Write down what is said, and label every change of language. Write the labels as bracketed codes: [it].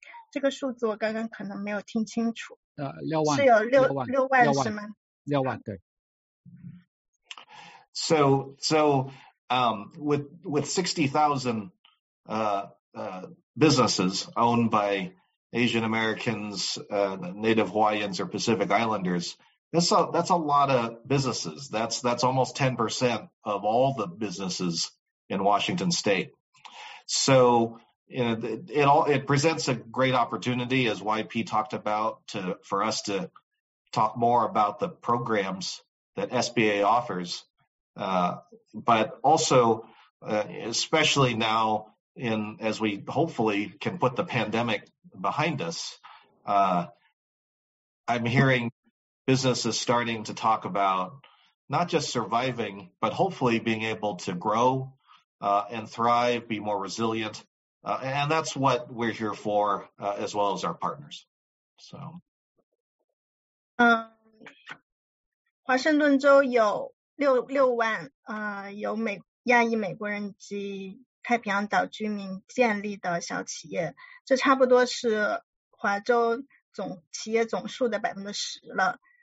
[zh] 这个数字我刚刚可能没有听清楚。六万是有六万是吗？六万，对。 [en] So, with 60,000 businesses owned by Asian Americans, Native Hawaiians, or Pacific Islanders, that's a lot of businesses. That's almost 10% of all the businesses in Washington State. So, it presents a great opportunity, as YP talked about, for us to talk more about the programs that SBA offers. But also, especially now, as we hopefully can put the pandemic behind us, I'm hearing businesses starting to talk about not just surviving, but hopefully being able to grow and thrive, be more resilient. And that's what we're here for, as well as our partners. So. [zh] 华盛顿州有6万有亚裔美国人及太平洋岛居民建立的小企业，这差不多是华州总企业总数的10%了。